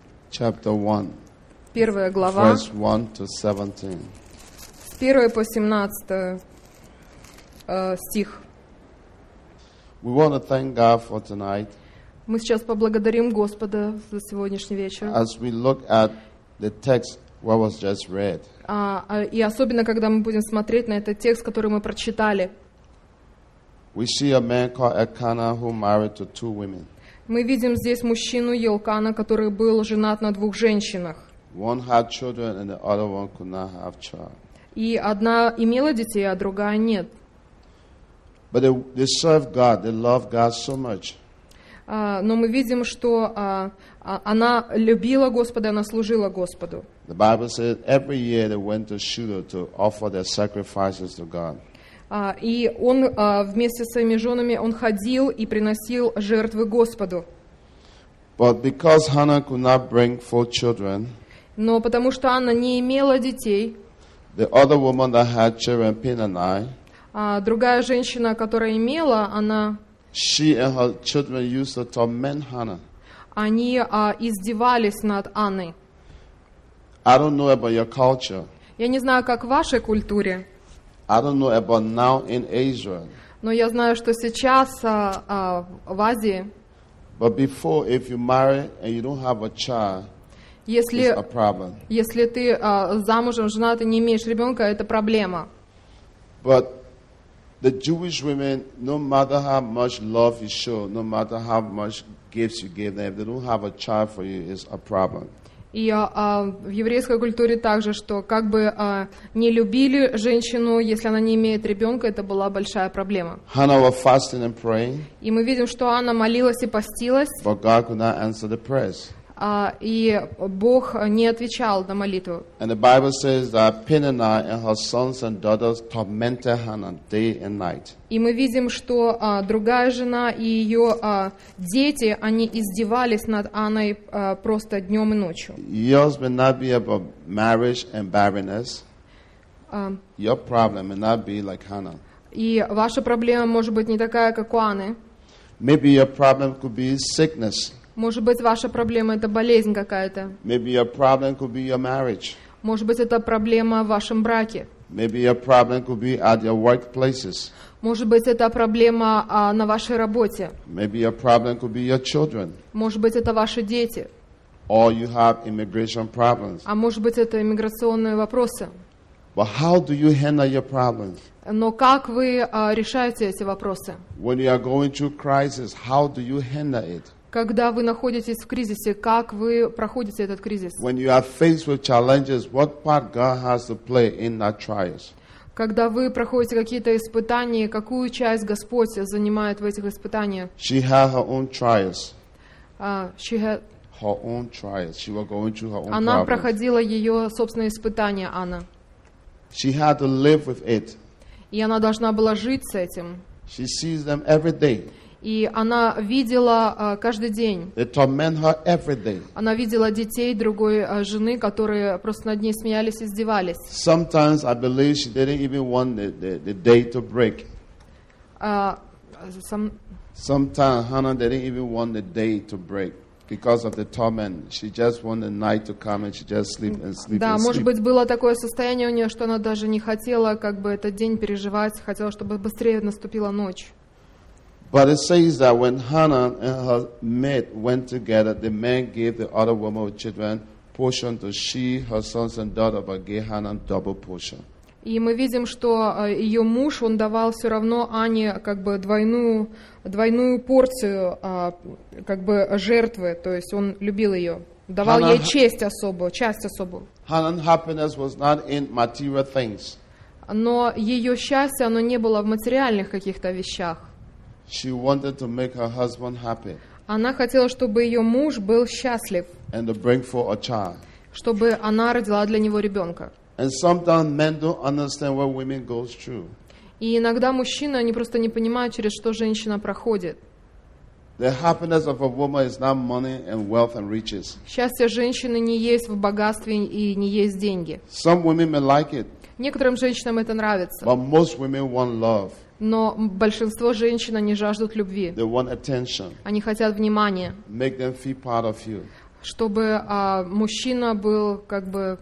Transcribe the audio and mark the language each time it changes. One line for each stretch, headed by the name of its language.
English: Chapter 1.
Russian: Первая глава.
English: Verse 1 to 17.
Russian: С 1 по 17 стих.
English: We want to thank God for tonight.
Russian: Мы сейчас поблагодарим Господа за сегодняшний вечер.
English: As we look at the text what was just read.
Russian: И особенно когда мы будем смотреть на этот текст, который мы прочитали.
English: We see a man called Elkanah who married to two women.
Russian: Мы видим здесь мужчину Елкана, который был женат на двух женщинах.
English: One had children and the other one could not have child.
Russian: И одна имела детей, а другая нет.
English: But they serve God. They love God so much.
Russian: Но мы видим, что она любила Господа, она служила Господу.
English: The Bible says every year they went to Shiloh to offer their sacrifices to God.
Russian: И он вместе со своими женами он ходил и приносил жертвы Господу.
English: But because Hannah could not bring four children,
Russian: но потому что Анна не имела детей,
English: the other woman that had children, Peninnah.
Russian: А другая женщина, которая имела, она...
English: She and her children used to torment Hannah.
Russian: Они издевались над Анной.
English: I don't know about your culture.
Russian: Я не знаю, как в вашей культуре.
English: I don't know about now in Asia.
Russian: Но я знаю, что сейчас в Азии...
English: But before, if you marry and you don't have a child,
Russian: если,
English: it's a problem.
Russian: Если ты замужем, женат и не имеешь ребенка, это проблема.
English: But the Jewish women, no matter how much love you show, no matter how much gifts you give them, if they don't have a child for you, it's a problem.
Russian: И в еврейской культуре также, что как бы не любили женщину, если она не имеет ребенка, это была большая проблема.
English: Hannah was fasting and praying.
Russian: И мы видим, что Анна молилась и постилась.
English: But God could not answer the prayers.
Russian: И Бог не отвечал на молитву.
English: And the Bible says that Peninnah and her sons and daughters tormented Hannah day and night.
Russian: И мы видим, что другая жена и ее дети, они издевались над Анной просто днем и ночью.
English: Yours may not be about marriage and barrenness. Your problem may not be like Hannah.
Russian: И ваша проблема может быть не такая, как у Анны.
English: Maybe your problem could be sickness.
Russian: Может быть, ваша проблема – это болезнь какая-то.
English: Maybe your problem could be your marriage.
Russian: Может быть, это проблема в вашем браке.
English: Maybe your problem could be at your workplaces.
Russian: Может быть, это проблема на вашей работе.
English: Maybe your problem could be your children.
Russian: Может быть, это ваши дети.
English: Or you have immigration problems.
Russian: А может быть, это иммиграционные вопросы.
English: But how do you handle your problems?
Russian: Но как вы решаете эти вопросы?
English: When you are going through crisis, how do you handle it?
Russian: Когда вы находитесь в кризисе, как вы проходите этот кризис?
English: When you are faced with challenges, what part God has to play in that trials?
Russian: Когда вы проходите какие-то испытания, какую часть Господь занимает в этих испытаниях?
English: She had her own trials. She had her own trials. She was going through her own problems.
Russian: Она проходила ее собственные испытания, Анна.
English: She had to live with it.
Russian: И она должна была жить с этим.
English: She sees them every day.
Russian: И она видела каждый день.
English: They torment her every day.
Russian: Она видела детей другой жены, которые просто над ней смеялись и издевались.
English: Sometimes I believe she didn't even want the day to break. Sometimes Hannah didn't even want the day to break. because of the torment, she just wanted night to come and she just sleep and sleep.
Russian: Да, может быть, было такое состояние у нее, что она даже не хотела как бы этот день переживать, хотела, чтобы быстрее наступила ночь.
English: But it says that when Hannah and her maid went together, the man gave the other woman with children portion to she, her sons and daughter, but gave Hannah double portion.
Russian: И мы видим, что ее муж, он давал все равно Ане как бы двойную порцию как бы жертвы, то есть он любил ее, давал ей честь особую, часть особую.
English: Hannah's happiness was not in material things.
Russian: Но ее счастье, оно не было в материальных каких-то вещах.
English: She wanted to make her husband happy.
Russian: Она хотела, чтобы ее муж был счастлив.
English: And to bring forth a child.
Russian: Чтобы она родила для него ребенка.
English: And sometimes men don't understand what women go through.
Russian: И иногда мужчины, они просто не понимают, через что женщина проходит.
English: The happiness of a woman is not money and wealth and riches.
Russian: Счастье женщины не есть в богатстве и не есть деньги.
English: Some women may like it.
Russian: Некоторым женщинам это нравится.
English: But most women want love.
Russian: Но большинство женщин, они жаждут любви.
English: They want attention.
Russian: Они хотят внимания.
English: Make them feel part of you.
Russian: Чтобы мужчина был как бы...